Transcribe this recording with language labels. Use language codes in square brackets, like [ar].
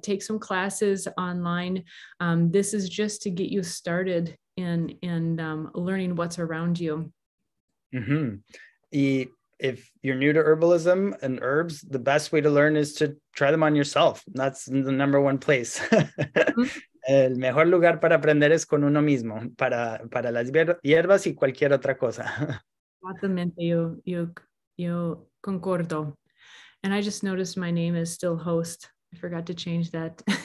[en] Take some classes online. This is just to get you started in learning what's around you. Mm-hmm. If you're new to herbalism and herbs, the best way to learn is to try them on yourself. That's the number one place. Mm-hmm. [es] El mejor lugar para aprender es con uno mismo, para las hierbas y cualquier otra cosa. Exactamente, yo concordo. [en] And I just noticed my name is still host. I forgot to change that.